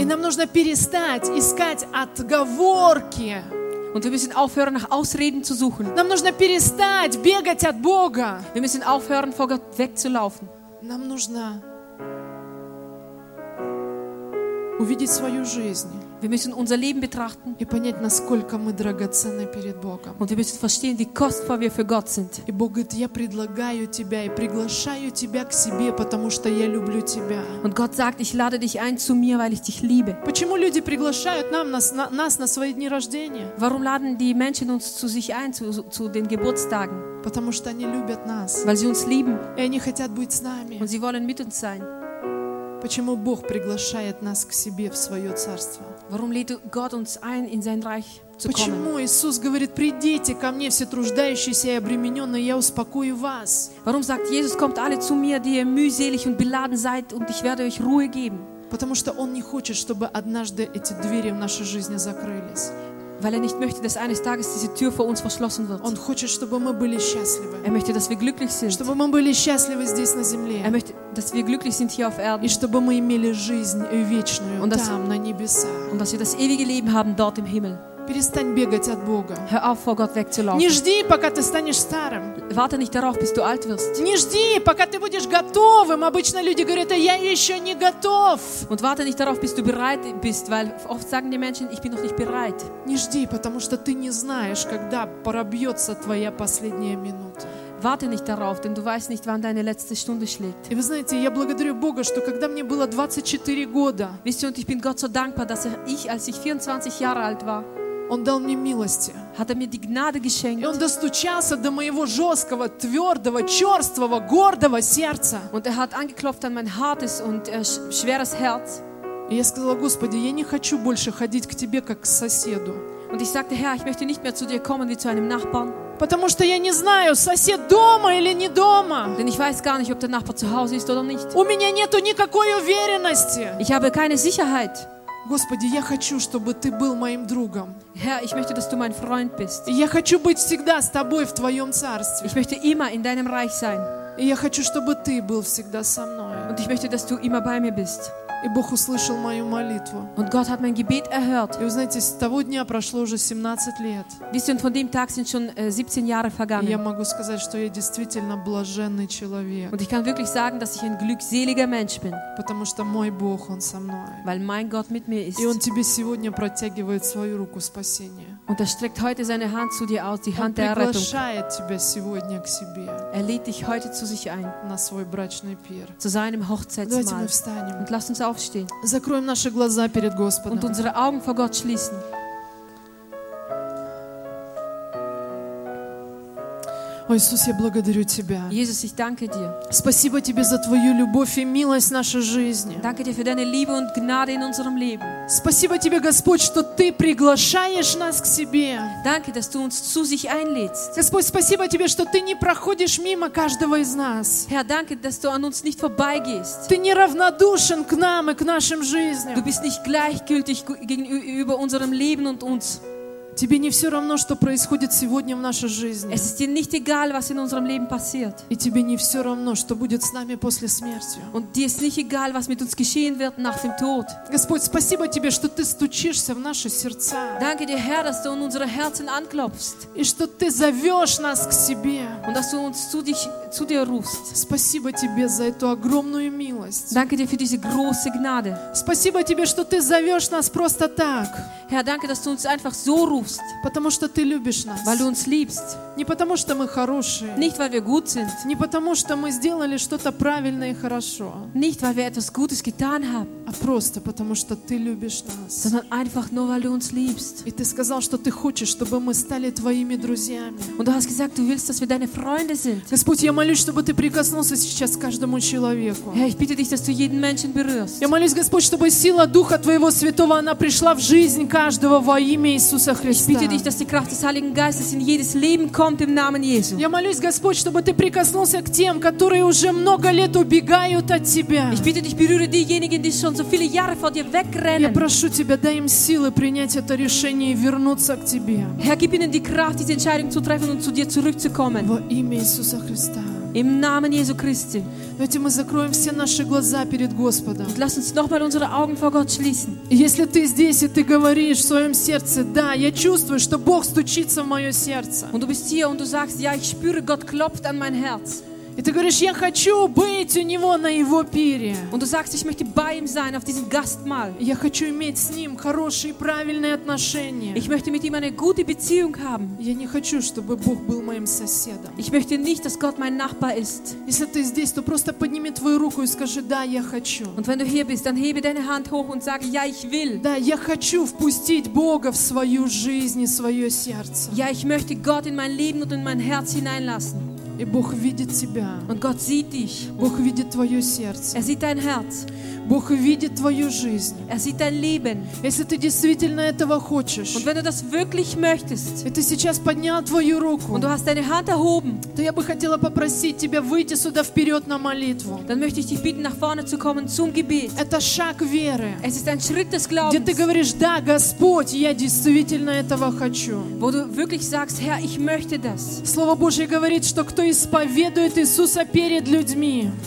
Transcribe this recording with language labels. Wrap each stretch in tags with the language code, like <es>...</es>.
<ru>И нам нужно перестать искать отговорки.</ru> <de>Und wir müssen aufhören, nach Ausreden zu suchen.</de> <ru>Нам нужно перестать бегать от Бога.</ru> <de>Wir müssen aufhören, vor Gott wegzulaufen.</de> <ru>Нам нужно увидеть свою жизнь.</ru> <de>Wir müssen unser Leben betrachten.</de> <ru>И понять, насколько мы драгоценны перед Богом.</ru> <de>Und wir müssen verstehen, wie kostbar wir für Gott sind.</de> <ru>И Бог говорит, я предлагаю тебя и приглашаю тебя к себе, потому что я люблю тебя.</ru> <de>Und Gott sagt, ich lade dich ein zu mir, weil ich dich liebe.</de> <ru>Почему люди приглашают нас на свои дни рождения?</ru> <de>Warum laden die Menschen uns zu sich ein, zu den Geburtstagen?</de> <ru>Потому что они любят нас.</ru> <de>Weil sie uns lieben.</de> <ru>И они хотят быть с нами.</ru> <de>Und sie wollen mit uns sein.</de> <ru>Почему Бог приглашает нас к себе в свое царство?</ru> <de>Warum lädt Gott uns ein, in sein Reich zu kommen?</de> <ru>Почему Иисус говорит: "Придите ко мне все труждающиеся и обремененные, я успокою вас"?</ru> <de>Warum sagt Jesus: "Kommt alle zu mir, die ihr mühselig und beladen seid, und ich werde euch Ruhe geben"?</de> <ru>Потому что Он не хочет, чтобы однажды эти двери в нашей жизни закрылись.</ru> <de>Weil er nicht möchte, dass eines Tages diese Tür vor uns verschlossen wird.</de> <ru>Он хочет, чтобы мы были счастливы.</ru> <de>Er möchte, dass wir glücklich sind.</de> <ru>Чтобы мы были счастливы здесь на земле.</ru> <de>Er möchte, dass wir glücklich sind hier auf Erden.</de> <ru>И чтобы мы имели жизнь вечную</ru> <de>und</de> <ru>там, на небесах.</ru> <de>Und dass wir das ewige Leben haben dort im Himmel.</de> <ru>Перестань бегать от Бога.</ru> <de>Hör auf, vor Gott wegzulaufen.</de> <ru>Не жди, пока ты станешь старым.</ru> <de>Warte nicht darauf, bis du alt wirst.</de> <ru>Не жди, пока ты будешь готовым. Обычно люди говорят: "А я еще не готов."</ru> <de>Und warte nicht darauf, bis du bereit bist, weil oft sagen die Menschen: "Ich bin noch nicht bereit."</de> <ru>Не жди, потому что ты не знаешь, когда пробьется твоя последняя минута.</ru> <de>Warte nicht darauf, denn du weißt nicht, wann deine letzte Stunde schlägt.</de> <ru>И вы знаете, я благодарю Бога, что когда мне было 24 года,</ru> <de>wisst ihr, und ich bin Gott so dankbar, dass ich, als ich 24 Jahre alt war,</de> <ru>Он дал мне милости.</ru> <de>Hat er mir die Gnade geschenkt.</de> <ru>И Он достучался до моего жесткого, твердого, черствого, гордого сердца.</ru> <de>Und er hat angeklopft an mein hartes und schweres Herz.</de> <ru>И я сказала: "Господи, я не хочу больше ходить к Тебе, как к соседу."</ru> <de>Und ich sagte: "Herr, ich möchte nicht mehr zu Dir kommen, wie zu einem Nachbarn."</de> <ru>Потому что я не знаю, сосед дома или не дома.</ru> <de>Denn ich weiß gar nicht, ob der Nachbar zu Hause ist oder nicht.</de> <ru>У меня нету никакой уверенности.</ru> <de>Ich habe keine Sicherheit.</de> <ru>Господи, я хочу, чтобы ты был моим другом.</ru> <de>Herr, ich möchte, dass du mein Freund bist.</de> <ru>Я хочу быть всегда с тобой в твоем царстве.</ru> <de>Ich möchte immer in deinem Reich sein.</de> <ru>И я хочу, чтобы ты был всегда со мной.</ru> <de>Und ich möchte, dass du immer bei mir bist.</de> <ru>И Бог услышал мою молитву.</ru> <de>Und Gott hat mein Gebet erhört.</de> <ru>И вы знаете, с того дня прошло уже 17 лет.</ru> <de>Wisst ihr, von dem Tag sind schon 17 Jahre vergangen.</de> <ru>И я могу сказать, что я действительно блаженный человек.</ru> <de>Und ich kann wirklich sagen, dass ich ein glückseliger Mensch bin.</de> <ru>Потому что мой Бог, Он со мной.</ru> <de>Weil mein Gott mit mir ist.</de> <ru>И Он тебе сегодня протягивает свою руку спасения.</ru> <de>Und streckt heute seine Hand zu dir aus, die Hand der Errettung.</de> <ru>Он приглашает тебя сегодня к себе.</ru> <de>Er lädt dich heute zu sich ein.</de> <ru>На свой брачный пир.</ru> <de>Zu seinem Hochzeitsmahl.</de> <ru>Давайте мы встанем.</ru> <de>Und lass uns aufstehen.</de> <ru>Закроем наши глаза перед Господом.</ru> <de>Und unsere Augen vor Gott schließen.</de> <ru>О, Иисус, я благодарю Тебя.</ru> <de>Jesus, ich danke dir.</de> <ru>Спасибо Тебе за Твою любовь и милость в нашей жизни.</ru> <de>Danke dir für deine Liebe und Gnade in unserem Leben.</de> <ru>Спасибо Тебе, Господь, что Ты приглашаешь нас к себе.</ru> <de>Danke, dass du uns zu sich einlädst.</de> <ru>Господь, спасибо Тебе, что Ты не проходишь мимо каждого из нас.</ru> <de>Herr, danke, dass du an uns nicht vorbeigehst.</de> <ru>Ты не равнодушен к нам и к нашим жизням.</ru> <de>Du bist nicht gleichgültig gegenüber unserem Leben und uns.</de> <ru>Тебе не все равно, что происходит сегодня в нашей жизни.</ru> <de>Es ist dir nicht egal, was in unserem Leben passiert.</de> <ru>И тебе не все равно, что будет с нами после смерти.</ru> <de>Und dir ist nicht egal, was mit uns geschehen wird nach dem Tod.</de> <ru>Господь, спасибо Тебе, что Ты стучишься в наши сердца.</ru> <de>Danke dir, Herr, dass du in unsere Herzen anklopfst.</de> <ru>И что Ты зовешь нас к себе.</ru> <de>Und dass du uns zu dir rufst.</de> <ru>Спасибо Тебе за эту огромную милость.</ru> <de>Danke dir für diese große Gnade.</de> <ru>Спасибо Тебе, что Ты зовешь нас просто так.</ru> <de>Herr, danke, dass du uns einfach so rufst.</de> <ru>Потому что Ты любишь нас.</ru> <de>Weil du uns liebst.</de> <ru>Не потому что мы хорошие.</ru> <de>Nicht weil wir gut sind.</de> <ru>Не потому что мы сделали что-то правильно и хорошо.</ru> <de>Nicht weil wir etwas Gutes getan haben.</de> <ru>А просто потому что Ты любишь нас.</ru> <de>Sondern einfach nur weil du uns liebst.</de> <ru>И Ты сказал, что Ты хочешь, чтобы мы стали Твоими друзьями.</ru> <de>Und du hast gesagt, du willst, dass wir deine Freunde sind.</de> <ru>Господь, я молюсь, чтобы Ты прикоснулся сейчас к каждому человеку.</ru> <de>Herr, ich bitte dich, dass du jeden Menschen berührst.</de> <ru>Я молюсь, Господь, чтобы сила Духа Твоего Святого, она пришла в жизнь каждого во имя Иисуса Христа.</ru> <de>Ich bitte dich, dass die Kraft des Heiligen Geistes in jedes Leben kommt im Namen Jesu.</de> <ru>Я молюсь, Господь, чтобы ты прикоснулся к тем, которые уже много лет убегают от тебя.</ru> <de>Ich bitte dich, berühre diejenigen, die schon so viele Jahre vor dir wegrennen.</de> <ru>Я прошу тебя, дай им силы принять это решение и вернуться к тебе.</ru> <de>Herr, gib ihnen die Kraft, diese Entscheidung zu treffen und zu dir zurückzukommen.</de> <ru>Во имя Иисуса Христа.</ru> <de>Im Namen Jesu Christi.</de> <ru>Давайте мы закроем все наши глаза перед Господом.</ru> <de>Und lass uns nochmal unsere Augen vor Gott schließen.</de> <ru>Если ты здесь и ты говоришь в своем сердце, да, я чувствую, что Бог стучится в мое сердце.</ru> <de>Und du bist hier und du sagst, ja, ich spüre, Gott klopft an mein Herz.</de> <ru>И ты говоришь, я хочу быть у него на его пире.</ru> <de>Und du sagst, ich möchte bei ihm sein auf diesem Gastmahl.</de> <ru>Я хочу иметь с ним хорошие, правильные отношения.</ru> <de>Ich möchte mit ihm eine gute Beziehung haben.</de> <ru>Я не хочу, чтобы Бог был моим соседом.</ru> <de>Ich möchte nicht, dass Gott mein Nachbar ist.</de> <ru>Если ты здесь, то просто подними твою руку и скажи, да, я хочу.</ru> <de>Und wenn du hier bist, dann hebe deine Hand hoch und sag, ja, ich will.</de> <ru>Да, я хочу впустить Бога в свою жизнь и свое сердце.</ru> <de>Ja, ich möchte Gott in mein Leben und in mein Herz hineinlassen.</de> <ru>И Бог видит тебя.</ru> <de>Und Gott sieht dich.</de> <ru>Бог видит твое сердце.</ru> <de>Er sieht dein Herz.</de> <ru>Бог видит твою жизнь.</ru> <de>Er sieht dein Leben.</de> <ru>Если ты действительно этого хочешь,</ru> <de>Und wenn du das wirklich möchtest,</de> <ru>и ты сейчас поднял твою руку,</ru> <de>Und du hast deine Hand erhoben,</de> <ru>то я бы хотела попросить тебя выйти сюда вперед на молитву.</ru> <de>Dann möchte ich dich bitten, nach vorne zu kommen zum Gebet.</de> <ru>Это шаг веры.</ru> <de>Es ist ein Schritt des Glaubens.</de> <ru>Где ты говоришь, да, Господь, я действительно этого хочу.</ru> <de>Wo du wirklich sagst, Herr, ich möchte das.</de> <ru>Слово Божье говорит, что кто исповедует Иисуса перед людьми.</ru>